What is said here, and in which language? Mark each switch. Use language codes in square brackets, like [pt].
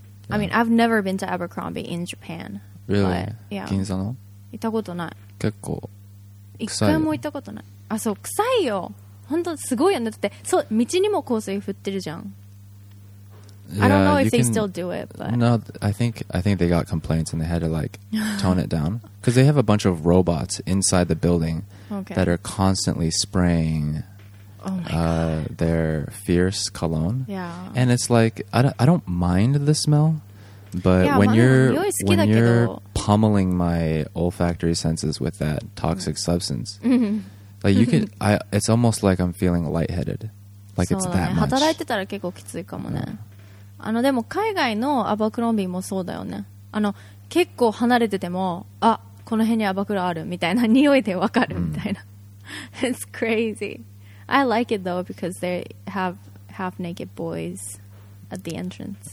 [en] I mean, I've never been to Abercrombie in Japan. Really? Yeah. [ja] 銀座の？行ったことない。結構臭いよ。一回も行ったことない。あ、そう、臭いよ。本当すごいよね。だってそう、道にも香水振ってるじゃん。 [en] Yeah, I don't know if you they can, still do it, but... No, I think they got complaints and they had to, like, tone it down. Because they have a bunch of robots inside the building that are constantly spraying their fierce cologne. Yeah. And it's like, I don't mind the smell, but yeah, when you're pummeling my olfactory senses with that toxic substance, like you can, it's almost like I'm feeling lightheaded. Like it's that much. [ja] 働いてたら結構きついかもね。あのでも海外のアバクロンビーもそうだよね。あの結構離れててもあこの辺にアバクロあるみたいな匂いでわかるみたいな。 [en] It's crazy. I like it though because they have half naked boys at the entrance.